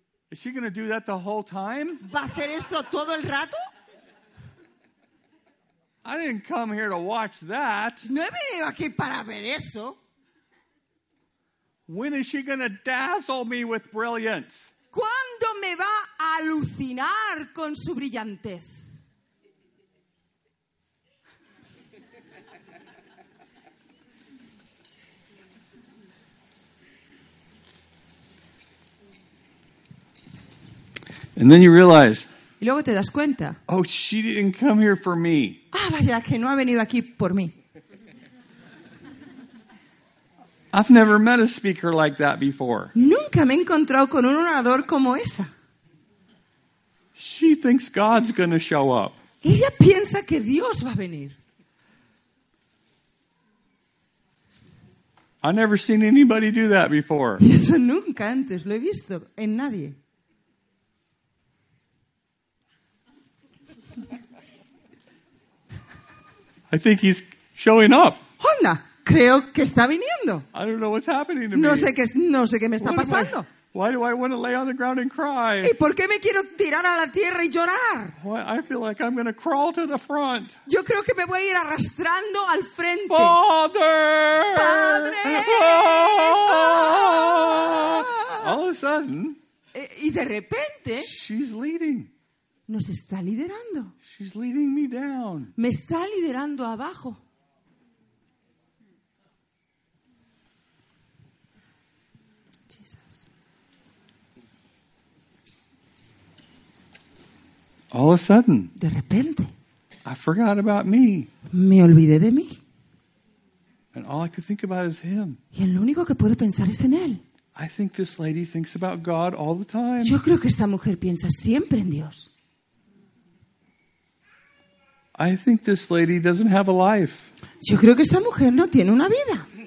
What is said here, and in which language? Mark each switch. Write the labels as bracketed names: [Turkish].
[English] Is she going to do that the whole time? [Spanish] ¿Va a hacer esto todo el rato? [English] I didn't come here to watch that. [Spanish] No he venido aquí para ver eso. [English] When is she going to dazzle me with brilliance? [Spanish] ¿Cuándo me va a alucinar con su brillantez? [English] And then you realize, [Spanish] Y luego te das cuenta. [English] Oh, she didn't come here for me. [Spanish] Ah, vaya, que no ha venido aquí por mí. [English] I've never met a speaker like that before. [Spanish] Nunca me he encontrado con un orador como esa. [English] She thinks God's going to show up. [Spanish] Ella piensa que Dios va a venir. [English] I've never seen anybody do that before. [Spanish] Y eso nunca antes lo he visto en nadie. [English] I think he's showing up. [Spanish] Anda, creo que está viniendo. [English] I don't know what's happening to [Spanish] no [English] me. [Spanish] No sé qué me está pasando. [English] Why do I want to lay on the ground and cry? [Spanish] ¿Y por qué me quiero tirar a la tierra y llorar? [English] Why, I feel like I'm going to crawl to the front. [Spanish] Yo creo que me voy a ir arrastrando al frente. [English] Father! [Spanish] ¡Padre! [English] Ah! All of a sudden, [Spanish] y de repente, [English] she's leading. [Spanish] Nos está liderando. [English] She's leading me down. [Spanish] Me está liderando abajo. [English] All of a sudden, [Spanish] de repente, [English] I forgot about me. [Spanish] Me olvidé de mí. [English] And all I could think about is him. [Spanish] Y lo único que puedo pensar es en él. [English] I think this lady thinks about God all the time. [Spanish] Yo creo que esta mujer piensa siempre en Dios. [English] I think this lady doesn't have a life. [Spanish] Yo creo que esta mujer no tiene una vida.